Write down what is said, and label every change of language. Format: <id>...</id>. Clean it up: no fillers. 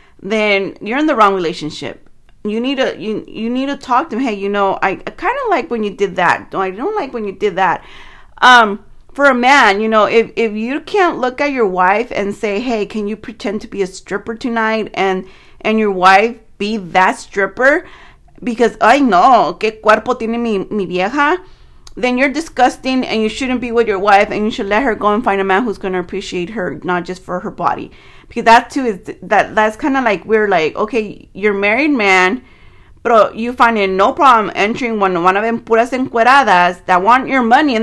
<en>Then you're in the wrong relationship. You need to talk to him. Hey, you know, I kind of like when you did that. I don't like when you did that. For a man, you know, if you can't look at your wife and say, hey, can you pretend to be a stripper tonight? And your wife be that stripper? Because I know,</en> <es>que cuerpo tiene mi vieja?</es> <en>Then you're disgusting and you shouldn't be with your wife. And you should let her go and find a man who's going to appreciate her, not just for her body. Because that too is, that's kind of like, we're like, okay, you're a married man, but you find it no problem entering one of them</en> <es>puras encueradas</es> <en>that want your money.</en>